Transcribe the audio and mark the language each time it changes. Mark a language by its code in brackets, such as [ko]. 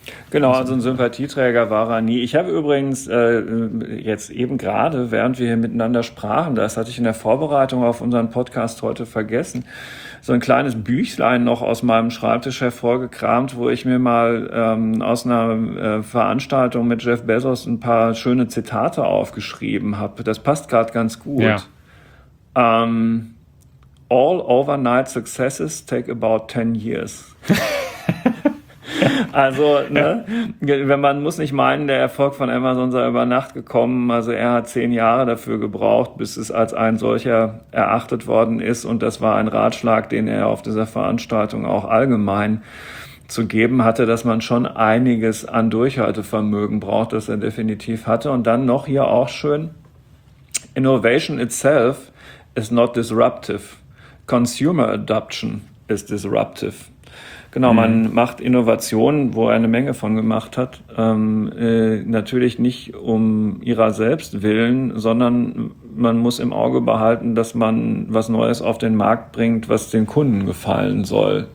[de] Genau, also ein Sympathieträger war er nie. Ich habe übrigens jetzt eben gerade, während wir hier miteinander sprachen, das hatte ich in der Vorbereitung auf unseren Podcast heute vergessen, so ein kleines Büchlein noch aus meinem Schreibtisch hervorgekramt, wo ich mir mal aus einer Veranstaltung mit Jeff Bezos ein paar schöne Zitate aufgeschrieben habe. Das passt gerade ganz gut. Ja. [en] All overnight successes take about 10 years. [de] Also, ne, wenn man muss nicht meinen, der Erfolg von Amazon sei über Nacht gekommen. Also er hat 10 Jahre dafür gebraucht, bis es als ein solcher erachtet worden ist. Und das war ein Ratschlag, den er auf dieser Veranstaltung auch allgemein zu geben hatte, dass man schon einiges an Durchhaltevermögen braucht, das er definitiv hatte. Und dann noch hier auch schön, [en] Innovation itself is not disruptive. Consumer adoption is disruptive. [de] Genau, man macht Innovationen, wo er eine Menge von gemacht hat, natürlich nicht um ihrer selbst willen, sondern man muss im Auge behalten, dass man was Neues auf den Markt bringt, was den Kunden gefallen soll.